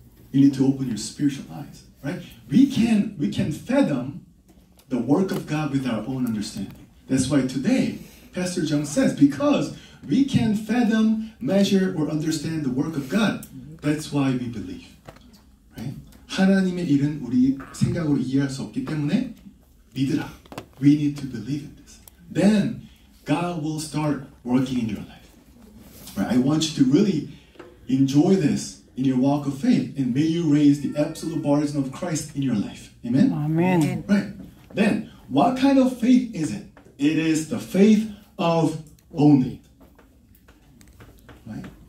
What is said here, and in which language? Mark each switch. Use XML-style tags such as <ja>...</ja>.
<en>You need to open your spiritual eyes, right? We can fathom the work of God with our own understanding. That's why today, Pastor Jung says, because we can fathom, measure, or understand the work of God, that's why we believe, right?</en> <ko>하나님의 일은 우리 생각으로 이해할 수 없기 때문에 믿으라.</ko> <en>We need to believe in this. Then God will start working in your life. Right. I want you to really enjoy this in your walk of faith, and may you raise the absolute partisan of Christ in your life. Amen? Amen. Right. Then, what kind of faith is it? It is the faith of only. Right.</en>